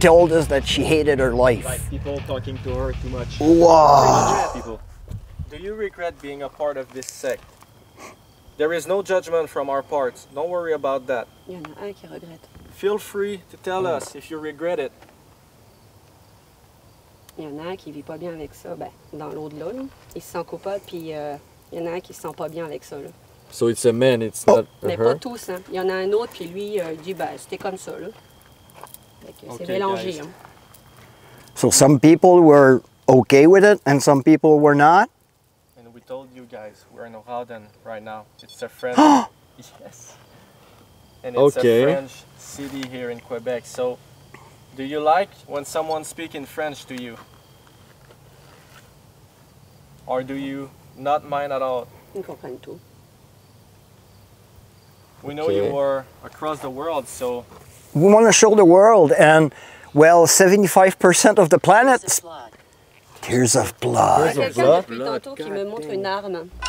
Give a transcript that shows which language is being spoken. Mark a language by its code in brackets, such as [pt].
[en] Told us that she hated her life. Like people talking to her too much. Wow. Do you regret being a part of this sect? There is no judgment from our parts. Don't worry about that. Feel free to tell us if you regret it. [fr] Il y en a un qui vit pas bien avec ça, ben, dans l'au-delà, là. Il se sent coupable, puis il y en a un qui se sent pas bien avec ça, là. [en] So it's a man, it's not a [fr] Mais [en] her. [fr] Pas tous, hein. Il y en a un autre, puis lui, il dit, ben, c'était comme ça, là. Donc, okay, c'est mélangé, guys. Hein. [en] So some people were okay with it, and some people were not? And we told you guys, we're in Rauden right now. It's a friend. Yes. And it's okay. A French city here in Quebec. So, do you like when someone speaks in French to you? Or do you not mind at all? I [fr] comprend [en] too. We know you are across the world, so... We want to show the world and, well, 75% of the planet... Tears of blood. [fr] Il y a quelqu'un depuis tantôt qui me montre une arme.